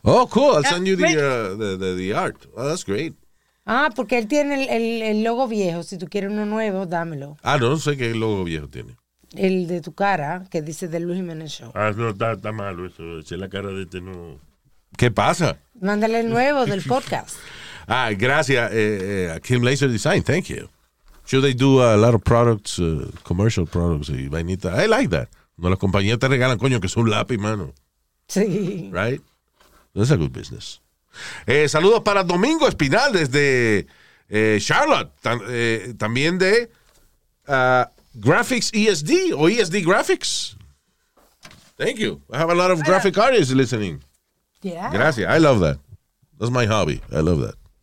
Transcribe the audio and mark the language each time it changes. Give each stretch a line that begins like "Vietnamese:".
English: Oh, cool. I'll send you the art. Oh, that's great.
Spanish: Ah, porque él tiene el logo viejo. Si tú quieres uno nuevo, dámelo. Ah, no sé qué logo viejo tiene. El de tu cara, que dice de Luis Jiménez Show. Ah, no, está malo eso. Si la cara de este no... ¿Qué pasa? Mándale el nuevo del podcast. Ah, gracias.
English: Kim Laser Design, thank you. Should they do a lot of products, commercial products
Spanish: y vainita?
English: I like that.
Spanish: No, las compañías te regalan, coño, que es un lápiz, mano. Sí.
English: Right? That's a good business.
Spanish: Saludos para Domingo Espinal desde Charlotte. También de Graphics ESD o ESD Graphics.
English: Thank you. I have a lot of graphic artists listening. Yeah.
Spanish: Gracias,
English: I love that. That's my hobby, I love that.